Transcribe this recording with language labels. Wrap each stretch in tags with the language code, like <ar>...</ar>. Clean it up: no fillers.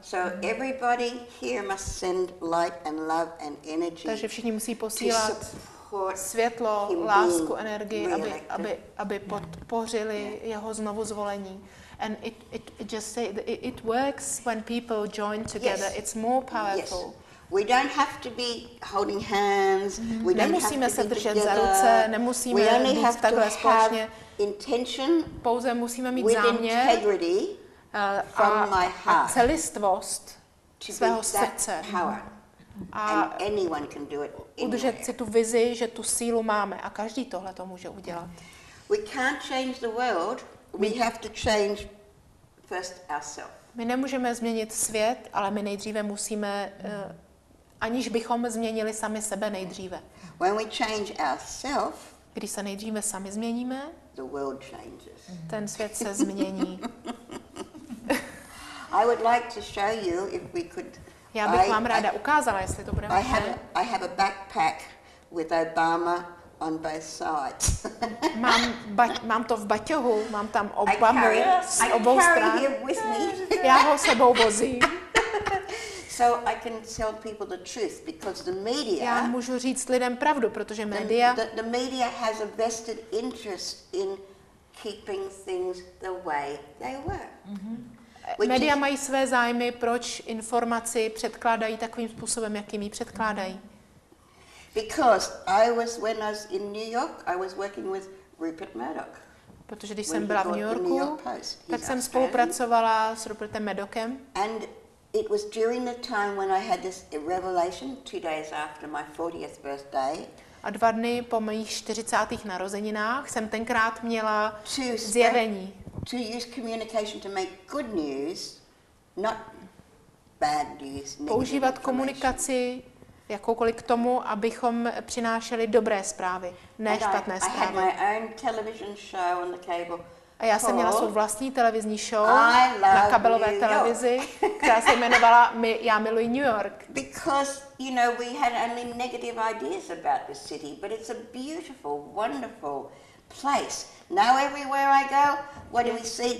<en>So everybody here must send light and love and energy.</en> <cs>Takže všichni musí posílat světlo, lásku, energii, aby podpořili jeho znovu zvolení.</cs> <en>And it works when people join together. Yes. It's more powerful. Yes. We don't have to be holding hands. We</en> <cs>nemusíme</cs> <en>don't have</en> <cs>se držet za ruce, nemusíme být takhle společně. Pouze musíme mít záměr a celistvost svého srdce.</cs> <en>A anyone can do it.</en> <cs>Udržet si tu vizi, že tu sílu máme a každý tohle to může udělat.</cs> <en>We can't change the world. We have to change first ourselves.</en> <cs>My nemůžeme změnit svět, ale my nejdříve musíme aniž bychom změnili sami sebe nejdříve.</cs> <en>When we change ourselves,</en> <cs>když se nejdříve sami změníme,</cs> <en>the world changes.</en> <cs>Ten svět se změní.</cs> <en>I would like to show you if we could.</en> <cs>Já bych vám ráda ukázala, jestli to bude možné.</cs> <en>I have a backpack with Obama on both sides.</en> <cs>mám to v baťohu, mám tam Obamu s obou stran. Já ho sebou vozím.</cs> <en>So I can tell people the truth because the media.</en> <cs>Já můžu říct lidem pravdu, protože média.</cs> <en>The media has a vested interest in keeping things the way they were. Mm-hmm.</en> <cs>Média mají své zájmy, proč informaci předkládají takovým způsobem, jakým ji předkládají.</cs> <en>Because when I was in New York, I was working with Rupert Murdoch.</en> <cs>Protože když jsem byla v New Yorku, tak jsem spolupracovala s Rupertem Murdochem.</cs> <en>And it was during the time when I had this revelation 2 days after my 40th birthday.</en> <cs>A 2 dny po mých 40. narozeninách jsem tenkrát měla zjevení.</cs> <en>To use communication to make good news, not bad news.</en> <cs>Používat komunikaci jakoukoliv k tomu, abychom přinášeli dobré zprávy, ne špatné zprávy.</cs> <en>I had my own television show on the cable.</en> <cs>A já jsem měla svou vlastní televizní show na kabelové televizi, která se jmenovala Já miluji New York.</cs> <en>Because you know we had only negative ideas about the city, but it's a beautiful, wonderful place. Now everywhere I go, what do we see?</en>